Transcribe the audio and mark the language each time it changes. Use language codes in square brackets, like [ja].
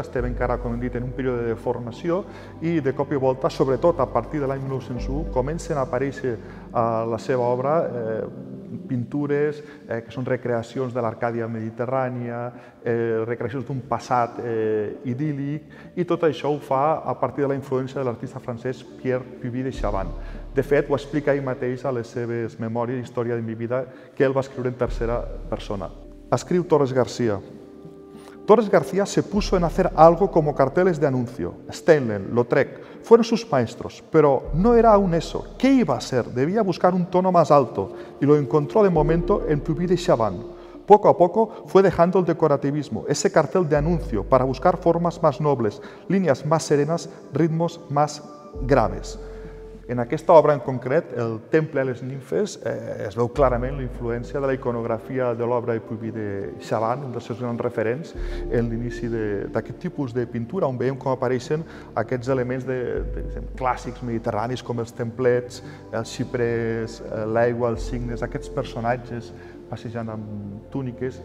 [ca] Estem encara, com hem dit, en un període de formació i de cop i volta, sobretot a partir de l'any 1901, comencen a aparèixer a la seva obra pintures que són recreacions de l'Arcàdia mediterrània, recreacions d'un passat idíl·lic, i tot això ho fa a partir de la influència de l'artista francès Pierre Puvis de Chavannes. De fet, ho explica ell mateix a les seves memòries, Història de mi vida, que ell va escriure en tercera persona. Escriu Torres García. [es] Torres García se puso en hacer algo como carteles de anuncio. Stanley, Lautrec, fueron sus maestros, pero no era aún eso. ¿Qué iba a ser? Debía buscar un tono más alto y lo encontró de momento en Puvis de Chavannes. Poco a poco fue dejando el decorativismo, ese cartel de anuncio, para buscar formas más nobles, líneas más serenas, ritmos más graves. [ca] En aquesta obra en concret, el Temple a les Nimfes, es veu clarament la influència de la iconografia de l'obra de Puvis de Chavannes, un dels seus grans referents en l'inici d'aquest tipus de pintura, on veiem com apareixen aquests elements de clàssics mediterranis, com els templets, els xiprers, l'aigua, els cignes, aquests personatges passejant amb túniques.